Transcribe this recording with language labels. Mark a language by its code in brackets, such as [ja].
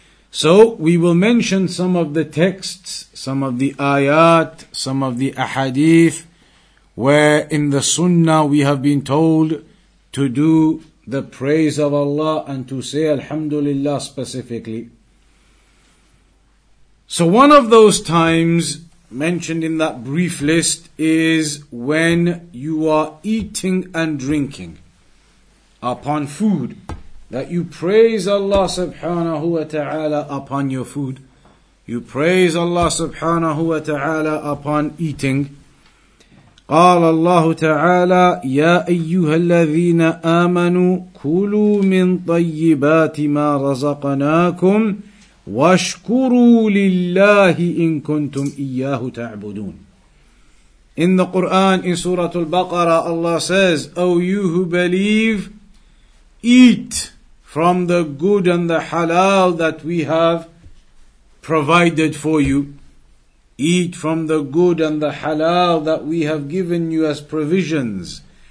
[en] So we will mention some of the texts, some of the ayat, some of the ahadith where in the sunnah we have been told to do the praise of Allah and to say Alhamdulillah specifically. So one of those times mentioned in that brief list is when you are eating and drinking upon food, that you praise Allah subhanahu wa ta'ala upon your food. You praise Allah subhanahu wa ta'ala upon eating. [ar] قال الله تعالى يا أيها الذين آمنوا كلوا من طيبات ما رزقناكم واشكروا لله إن كنتم إياه تعبدون. [en] In the Quran, in Surah Al-Baqarah, Allah says, O you who believe, eat from the good and the halal that we have provided for you. Eat from the good and the halal that we have given you as provisions.